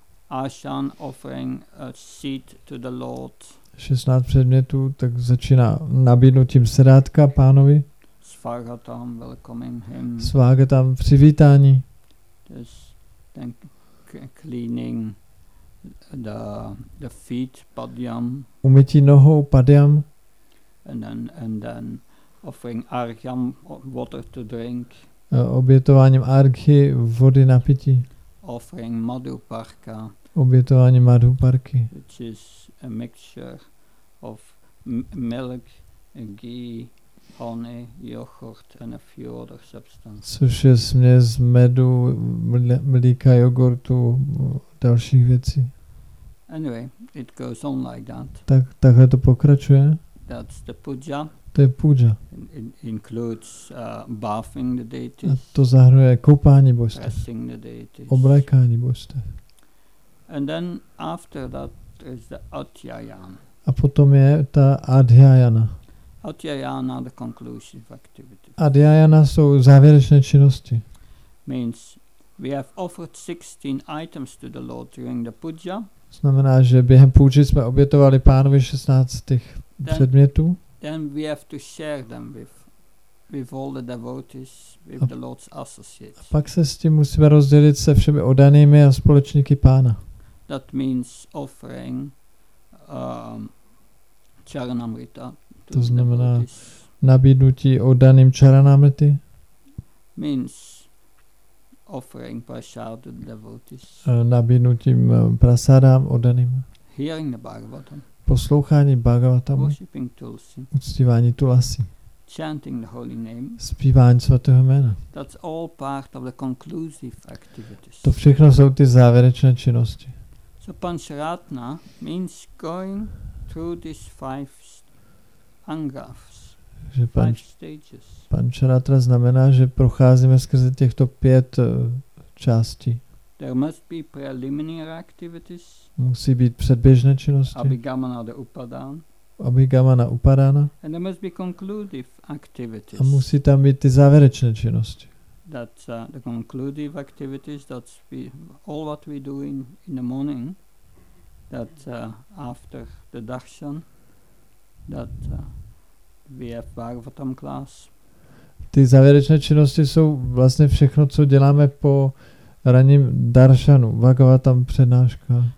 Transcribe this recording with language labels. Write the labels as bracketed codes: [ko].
[en] Ashan offering a seat to the Lord. [cs] 16 předmětů, tak začíná nabídnutím sedátka Pánovi. [en] Svagatam welcoming him. [cs] Svagatam přivítání. [en] This then cleaning the feet padyam. [cs] Umytí nohou padyam. [en] And then offering arghyam water to drink. [cs] Obětováním arghy vody na pití. [en] Offering madhu parka. [cs] Obětováním madhu parky. [en] Which is a mixture of milk, ghee, honey, yogurt and a few other substances. [cs] Což je směs medu, mlíka, jogurtu, dalších věcí. [en] Anyway, it goes on like that. [cs] Tak takhle to pokračuje. [en] That's the puja. [cs] To je puja. [en] Includes bathing the deities. [cs] A to zahrnuje koupání božstev. [en] Pressing the deities. [cs] Oblékání božstev. [en] And then after that is the atyayana. [cs] A potom je ta adhyayana. [en] Adhyayana the conclusive activity. [cs] Adhyayana jsou závěrečné činnosti. [en] Means we have offered 16 items to the Lord during the puja. [cs] Znamená, že během půdži jsme obětovali Pánovi 16 těch předmětů. [en] Then we have to share them with all the devotees, with the Lord's associates. [cs] A pak se s tím musíme rozdělit se všemi oddanými a společníky Pána. [en] That means offering charanamrita. [cs] To znamená nabídnutí oddaným charanamrity. [en] means offering prasad to the devotees. [cs] Nabídnutím prasadám oddaným. [en] Hearing the Bhagavatam. [cs] Poslouchání Bhagavatamu. [en] Worshipping Tulsi. [cs] Uctívání Tulasi. [en] Chanting the holy name. [cs] Zpívání svatého jména. [en] That's all part of the conclusive activities. [cs] To všechno jsou ty závěrečné činnosti. [en] So panchratna means going through these five angas, five stages. [cs] Panchratra znamená, že procházíme skrze těchto pět částí. [en] There must be preliminary activities. [cs] Musí být předběžné činnosti. [en] Abhigamana the upadan. [cs] Abhigamana upadana. [en] And there must be conclusive activities. [cs] A musí tam být ty závěrečné činnosti. [en] That's the conclusive activities. That's all what we do in the morning. That after the darshan, that we have Bhagavatam class. [cs] Ty závěrečné činnosti jsou vlastně všechno, co děláme po ranním darshanu, Bhagavatam přednáška.